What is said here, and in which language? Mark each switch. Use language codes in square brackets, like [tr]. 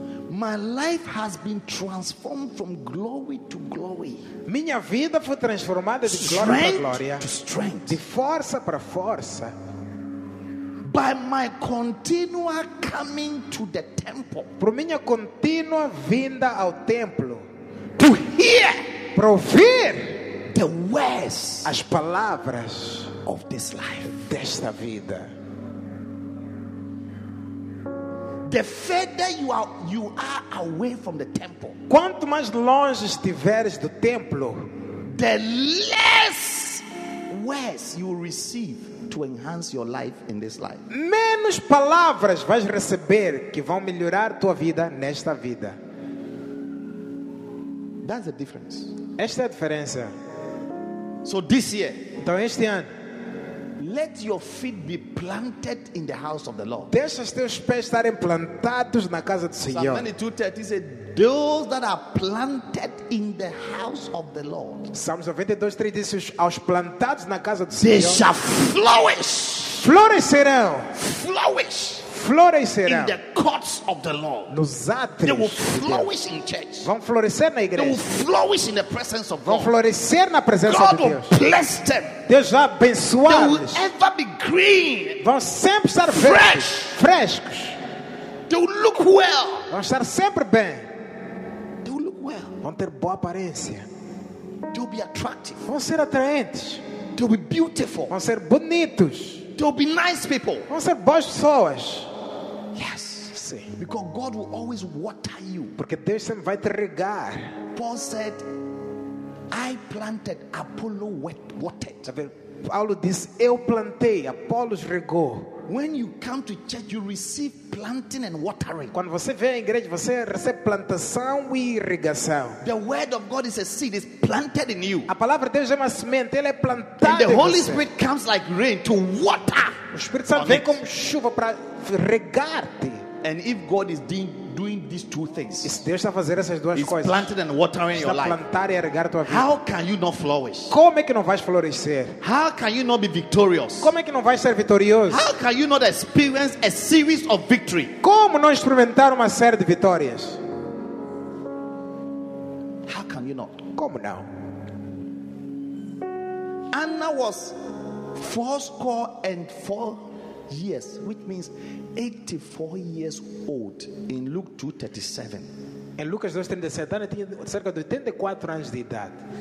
[en] My life has been transformed from glory to glory. [pt] Minha vida foi transformada de glória para glória. [en] To strength. [pt] De força para força. [en] By my continual coming to the temple. [pt] Por minha contínua vinda ao templo. [en] To hear. [pt] Para ouvir. [en] The words. [pt] As palavras. [en] Of this life. [pt] Desta vida. [en] The further you are away from the temple. [pt] Quanto mais longe estiveres do templo, [en] the less words you receive to enhance your life in this life. [pt] Menos palavras vais receber que vão melhorar tua vida nesta vida. [en] That's the difference. [pt] Esta é a diferença. [en] So this year, [pt] então este ano, [en] let your feet be planted in the house of the Lord. [pt] Deixa os teus pés estarem plantados na casa do Senhor. [en] Psalm 22:30 says, "Those that are planted in the house of the Lord." [pt] Psalms 22:30 diz, aos plantados na casa do Senhor. [en] They shall flourish. [pt] Florescerão. [en] Flourish. [pt] Florescerão. [en] In the courts of the Lord. [pt] Nos átrios. [en] They will flourish in church. [pt] Vão florescer na igreja. [en] They will flourish in the presence of God. [pt] Vão florescer na presença [en] God [pt] de Deus. [en] God will bless them. [pt] Deus vai abençoá-los. [en] They will ever be green. [pt] Vão sempre estar [en] fresh. [pt] Frescos. [en] They will look well. [pt] Vão estar sempre bem. [en] They will look well. [pt] Vão ter boa aparência. [en] They will be attractive. [pt] Vão ser atraentes. [en] They will be beautiful. [pt] Vão ser bonitos. [en] They'll be nice people. [pt] Vão ser boas pessoas. [en] Yes. [pt] Sim. [en] Because God will always water you. [pt] Porque Deus sempre vai te regar. [en] Paul said, I planted, Apollo watered. [pt] Sabe, Paulo disse, eu plantei, Apollo regou. [en] When you come to church, you receive planting and watering. [pt] Quando você vem à igreja, você recebe plantação e irrigação. [en] The word of God is a seed, it's planted in you. [pt] A palavra de Deus é uma semente, ela é plantada em você. [en] And the Holy Spirit comes like rain to water. [pt] O Espírito Santo vem como chuva para regar-te. [en] And if God is doing these two things, [pt] e se Deus está a fazer essas duas [en] it's [pt] coisas, [en] planting and watering [pt] está [en] your [pt] plantar [en] life, [pt] e regar tua vida. [en] How can you not flourish? [pt] Como é que não vais florescer? [en] How can you not be victorious? [pt] Como é que não vais ser vitorioso? [en] How can you not experience a series of victory? [pt] Como não experimentar uma série de vitórias? [en] How can you not? [pt] Como não? [en] Anna was 84 years, which means 84 years old in Luke 2:37. [pt] Em Lucas 2:37, Ana tinha cerca de 84 anos de idade.